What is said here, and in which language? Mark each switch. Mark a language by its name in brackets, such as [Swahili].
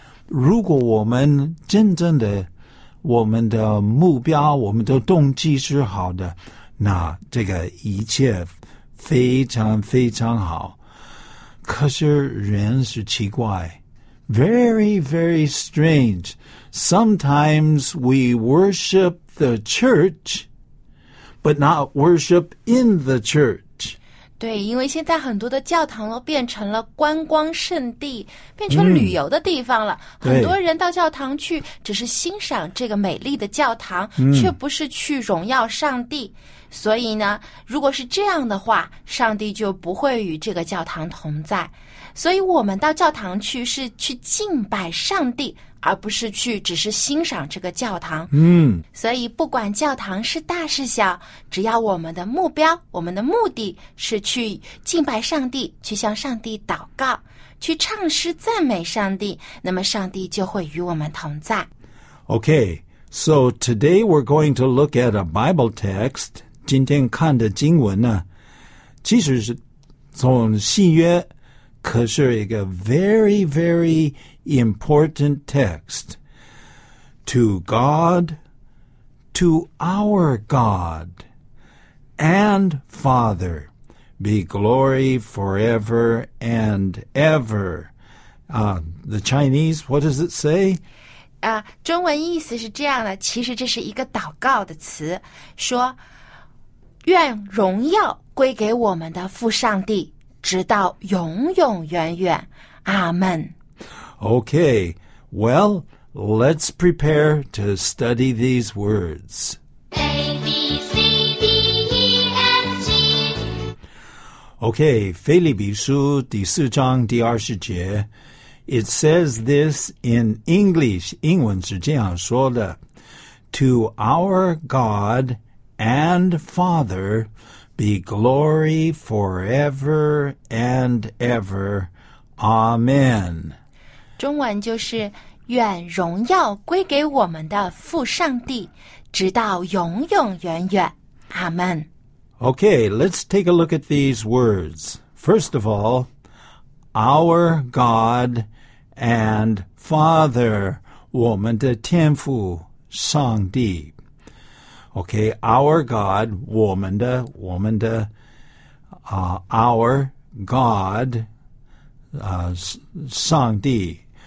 [Chinese] 如果我们真正的我们的目标我们的动机是好的，那这个一切非常非常好。可是人是奇怪， [English] very very strange. Sometimes we worship the church but not worship in the church. [Chinese] 对，因为现在很多的教堂都变成了观光圣地，变成旅游的地方了。很多人到教堂去只是欣赏这个美丽的教堂，却不是去荣耀上帝。所以呢，如果是这样的话，上帝就不会与这个教堂同在。所以我们到教堂去是去敬拜上帝，而不是去只是欣赏这个教堂。所以不管教堂是大是小，只要我们的目标，我们的目的是去敬拜上帝，去向上帝祷告，去唱诗赞美上帝，那么上帝就会与我们同在。 [English] Okay, so today we're going to look at a Bible text. [Chinese] 今天看的经文呢，其实是从新约，可是一个 [English] very very important text. To God, to our God and Father, be glory forever and ever. The Chinese, what does it say? [Chinese] 中文意思是这样的，其实这是一个祷告的词，说愿荣耀归给我们的父上帝，直到永永远远。阿们。 [English] Okay, well, let's prepare to study these words. A, B, C, D, E, F, G. [Chinese] Okay, 腓立比书第四章第二十节。 [English] It says this in English, [Chinese] 英文是这样说的。 [English] To our God and Father be glory forever and ever. Amen. [Chinese] 中文就是愿荣耀归给我们的父上帝，直到永永远远。阿们。 [English] Okay, let's take a look at these words. First of all, our God and Father, [Chinese] 我们的天父上帝。 [English] Okay, our God, [Chinese] 我们的、 [English] our God, 上帝。